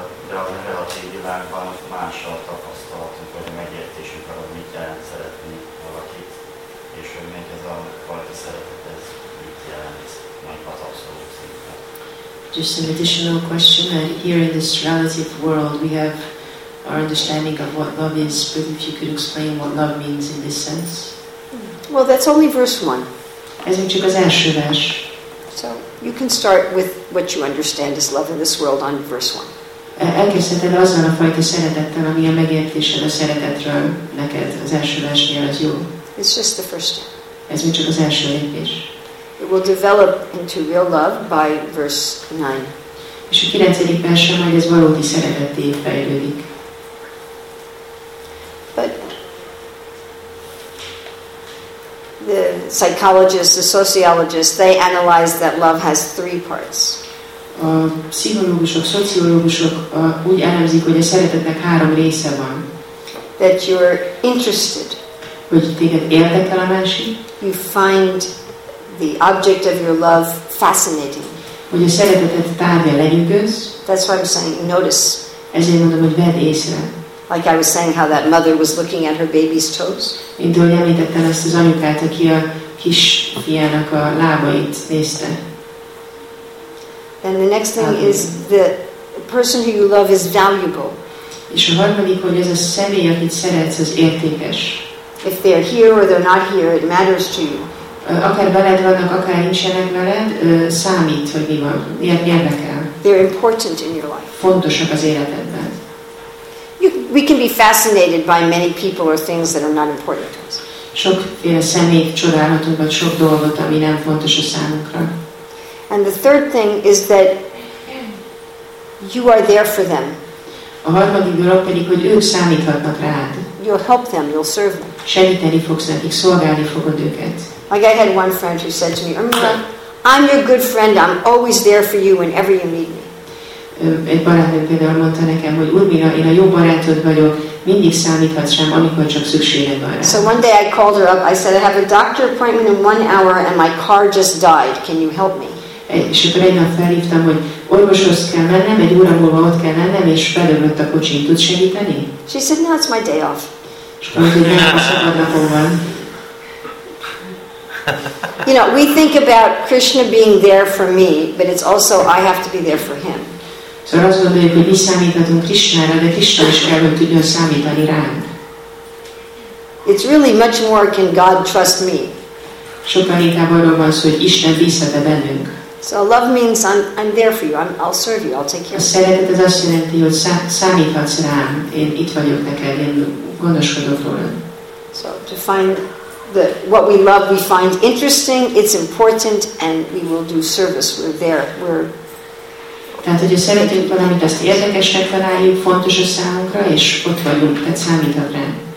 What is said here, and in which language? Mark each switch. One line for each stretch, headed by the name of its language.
Hungarian: De a relatív világban mással tapasztalatunk, vagy a megértésünk arra, mit jelent szeretni valakit, és hogy még ez a fajta szeretet, ez mit jelent majd az abszolút szinten.
English: Just an additional question. Here in this relative world we have our understanding of what love is, but if you could explain what love means in this sense. Well, that's only verse one.
Hungarian: Ez még csak az első vers.
English: So you can start with what you understand as love in this world on verse one.
Hungarian: Elkezdheted azzal a fajta szeretettel, ami a megértésed a szeretetről neked az első versnél az jó.
English: It's just the first step.
Hungarian: Ez még csak az első lépés.
English: It will develop into real love by verse 9.
Hungarian: És a 9. versen majd ez valódi szeretetté fejlődik.
English: But the psychologists, the sociologists, they analyze that love has three parts.
Hungarian: A pszichológusok, szociológusok úgy elemzik, hogy a szeretetnek három része van.
English: That you're interested.
Hungarian: Hogy téged érdekel a másik.
English: You find the object of your love fascinating.
Hungarian: Hogy a szeretetet tárgya lenyűgöz.
English: That's why I'm saying notice.
Hungarian: Ezért mondom, hogy vedd észre.
English: Like I was saying how that mother was looking at her baby's toes.
Hungarian: Mint ahogy említettem ezt az anyukát, aki a kis fiának a lábait nézte.
English: And the next thing is the person who you love is valuable.
Hungarian: És a harmadik, hogy ez a személy, akit szeretsz, az értékes.
English: If they're here or they're not here, it matters to you.
Hungarian: Akár veled vannak, akár nincsenek veled, számít, hogy mi van, miért érdekel.
English: They're important in your life.
Hungarian: Fontosak az életedben.
English: We can be fascinated by many people or things that are not important to us.
Hungarian: Sok személy csodálhatunk, vagy sok dolgot, ami nem fontos a számunkra.
English: And the third thing is that you are there for them.
Hungarian: A harmadik dolog pedig, hogy ők számíthatnak rád.
English: You'll help them, you'll serve them.
Hungarian: Segíteni fogsz nekik, szolgálni fogod őket.
English: Like I had one friend who said to me, Irmina, I'm your good friend, I'm always there for you whenever you need me.
Hungarian: Egy barátnőm például mondta nekem, hogy Irmina, én a jó barátod vagyok, mindig számíthatsz rám, amikor csak szükséged van rá.
English: So one day I called her up, I said, I have a doctor appointment in 1 hour and my car just died, can you help me?
Hungarian: És akkor egy nap felhívtam, hogy orvoshoz kell mennem, egy óra múlva ott kell mennem, és felömlött a kocsim. Tudsz segíteni?
English: She said, no, it's my day off.
Hungarian: És akkor mondta, hogy nem, a szabad napom van.
English: You know, we think about Krishna being there for me, but it's also I have to be there for him.
Hungarian: Szóval azt gondoljuk, hogy mi számíthatunk Krishnára, de Krishna is kell, hogy tudjon számítani rám.
English: It's really much more, can God trust me?
Hungarian: Sokkal inkább arról van szó, hogy Isten bízhat-e bennünk.
English: So love means I'm there for you. I'll serve you. I'll take care of you.
Hungarian: A szeretet az azt jelenti, hogy számíthatsz rám. Én itt vagyok neked. Én gondoskodok rólad.
English: So to find that what we love, we find interesting, it's important, and we will do service. We're there. We're.
Hungarian: Tehát, hogy a szeretünk valamit, azt érdekesnek találjuk, fontos a számunkra, és ott vagyunk, tehát számíthat rám.